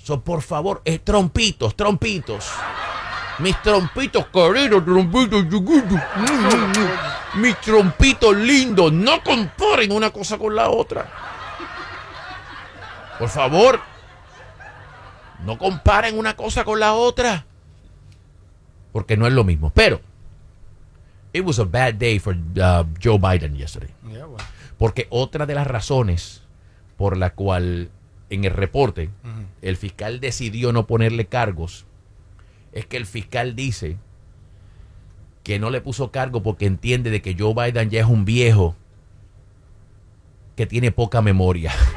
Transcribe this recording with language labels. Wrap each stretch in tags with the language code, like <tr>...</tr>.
<es>So, por favor, trompitos, trompitos. Mis trompitos careros, trompitos chiquitos. Mis trompitos lindos. No comparen una cosa con la otra. Por favor. No comparen una cosa con la otra. Porque no es lo mismo. Pero,</es> <en>it was a bad day for Joe Biden yesterday. Yeah, well.</en> <es>Porque otra de las razones por la cual en el reporte el fiscal decidió no ponerle cargos es que el fiscal dice que no le puso cargo porque entiende de que Joe Biden ya es un viejo que tiene poca memoria.</es>